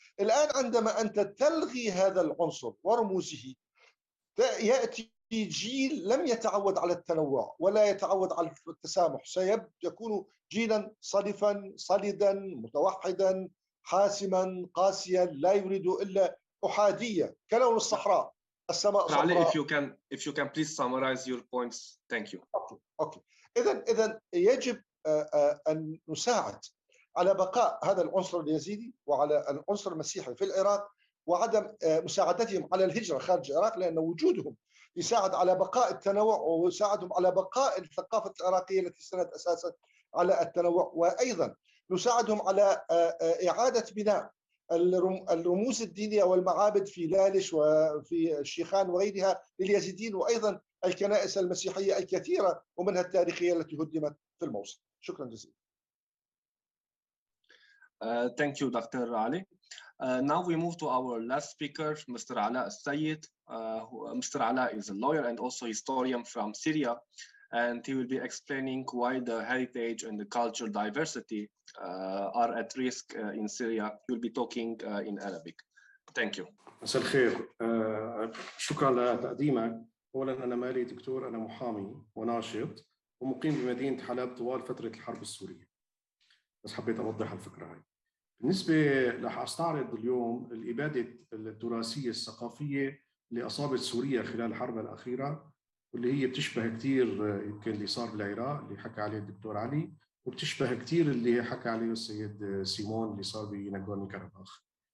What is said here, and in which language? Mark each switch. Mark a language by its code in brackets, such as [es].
[ar] الآن عندما أنت تلغي هذا العنصر ورموزه، يأتي جيل لم يتعود على التنوع ولا يتعود على التسامح، سيكون جيلا صلفا صلدا متوحدا حاسما قاسيا لا يريد إلا أحادية كلون الصحراء السماء صحراء. [en] علي if you can please summarize your points. Thank you. Okay. [ar] إذن يجب أن نساعد على بقاء هذا العنصر اليزيدي وعلى العنصر المسيحي في العراق، وعدم مساعدتهم على الهجرة خارج العراق، لأن وجودهم يساعد على بقاء التنوع ويساعدهم على بقاء الثقافة العراقية التي سنت أساسا على التنوع، وأيضا نساعدهم على إعادة بناء الرموز الدينية والمعابد في لالش وفي الشيخان وغيرها لليزيدين، وأيضا الكنائس المسيحية الكثيرة ومنها التاريخية التي هدمت في الموصل. شكرا جزيلا. [en] Thank you, Dr. Ali. Now we move to our last speaker, Mr. Ala Sayed. Mr. Ala is a lawyer and also historian from Syria, and he will be explaining why the heritage and the cultural diversity are at risk in Syria. He'll be talking in Arabic. Thank you. [ar] مساء الخير. شكرا لتقديمك. أولا أنا مالي دكتور، أنا محامي وناشط ومقيم بمدينة حلب طوال فترة الحرب السورية. بس حبيت أوضح الفكرة هاي. بالنسبة لح أستعرض اليوم الإبادة الدراسية الثقافية اللي أصابت سوريا خلال الحرب الأخيرة، واللي هي بتشبه كتير يمكن اللي صار بالعراق اللي حكى عليه الدكتور علي، وبتشبه كتير اللي حكى عليه السيد سيمون اللي صار بناغورنو كاراباخ.